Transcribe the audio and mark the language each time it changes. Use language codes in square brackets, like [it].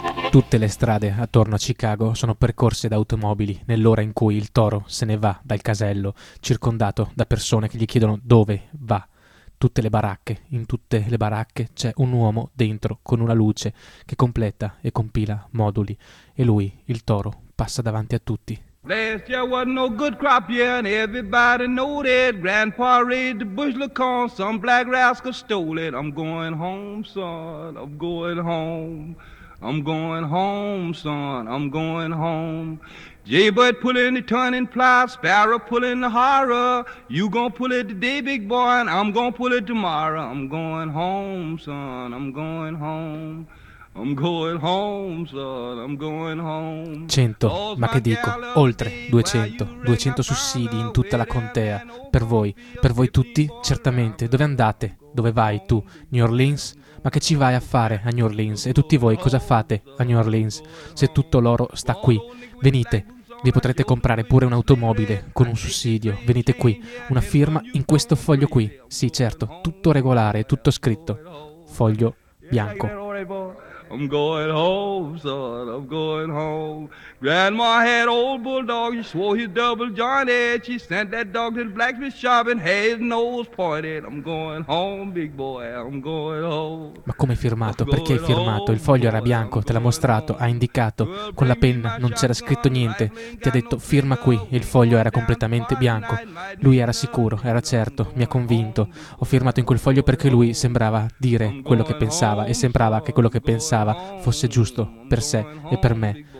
[it] Tutte le strade attorno a Chicago sono percorse da automobili nell'ora in cui il toro se ne va dal casello, circondato da persone che gli chiedono dove va. Tutte le baracche, in tutte le baracche c'è un uomo dentro con una luce che completa e compila moduli. E lui, il toro, passa davanti a tutti. [en] Last year was no good crop year and everybody knowed it. Grandpa raised the bushel of corn, some black rascal stole it. I'm going home, son, I'm going home. I'm going home, son, I'm going home. Jaybird pulling the turning plow, sparrow pulling the horror. You gonna pull it today, big boy, and I'm gonna pull it tomorrow. I'm going home, son, I'm going home. I'm going home, son, I'm going home. [it] 100, ma che dico, oltre 200, 200 sussidi in tutta la contea. Per voi tutti, certamente. Dove andate? Dove vai tu? New Orleans? Ma che ci vai a fare a New Orleans? E tutti voi cosa fate a New Orleans? Se tutto l'oro sta qui, venite, vi potrete comprare pure un'automobile con un sussidio. Venite qui, una firma in questo foglio qui. Sì, certo, tutto regolare, tutto scritto. Foglio bianco. [en] I'm going home, son, I'm going home. Grandma had old bulldog, she swore his double jointed. She sent that dog to the blacksmith shop and had his nose pointed. I'm going home, big boy, I'm going home. [it] Ma come hai firmato? Perché hai firmato? Il foglio era bianco, te l'ha mostrato, ha indicato. Con la penna non c'era scritto niente. Ti ha detto, firma qui. E il foglio era completamente bianco. Lui era sicuro, era certo, mi ha convinto. Ho firmato in quel foglio perché lui sembrava dire quello che pensava e sembrava che quello che pensava fosse giusto per sé e per me.